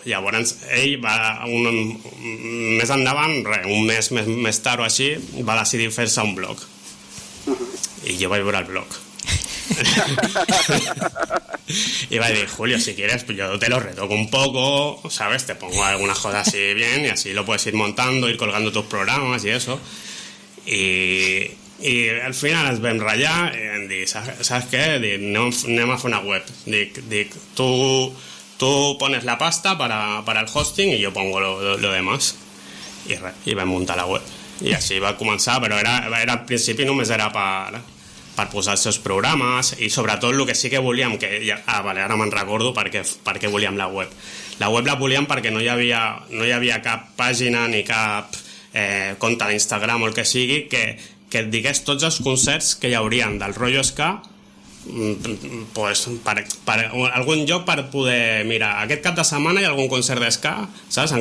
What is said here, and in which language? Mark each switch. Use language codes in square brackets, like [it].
[ca] Llavors ell va, més endavant, re, un mes més tard o així, va decidir fer-se un blog. I jo vaig veure el blog. I vaig dir, [es] Julio, si quieres, pues yo te lo retoco un poco, ¿sabes? Te pongo alguna cosa así bien y así lo puedes ir montando, ir colgando tus programas y eso. [ca] I al final ens vam ratllar i vam dir, [es] ¿sabes qué? [ca] Dic, anem a fer una web. Dic, [es] tu pones la pasta para el hosting y yo pongo lo demás. [ca] I vam muntar la web. I així va començar, però era al principi només era per posar els seus programes i sobretot el que sí que volíem, que ja, vale, ara me'n recordo perquè volíem la web. La web la volíem perquè no hi havia cap pàgina ni cap compte d'Instagram o el que sigui que digués tots els concerts que hi haurien del rotllo ska, pues, per algun lloc per poder mirar aquest cap de setmana hi ha algun concert d'esca, saps?